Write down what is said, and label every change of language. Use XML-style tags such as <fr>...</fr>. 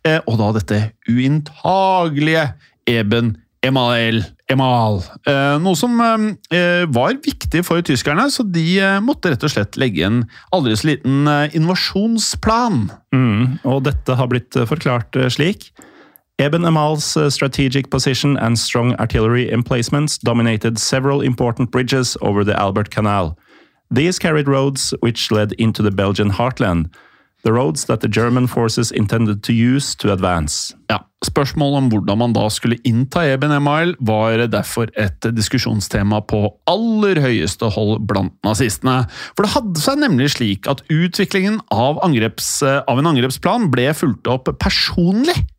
<no>Og da dette uinntagelige Eben-Emal. Noe som var viktig for tyskerne, så de måtte rett og slett legge en aldri så liten invasjonsplan. Mm, og dette har blitt forklart slik.</no> <en>Eben Emal's strategic position and strong artillery emplacements dominated several important bridges over the Albert Canal. These carried roads which led into the Belgian heartland, the roads that the German forces intended to use to advance.</en> <no>Ja, spørsmålet om hvordan man da skulle innta Eben Emal var derfor et diskusjonstema på aller høyeste hold blant nazistene. For det hadde seg nemlig slik at utviklingen av, av en angrepsplan ble fulgt opp personlig.</no>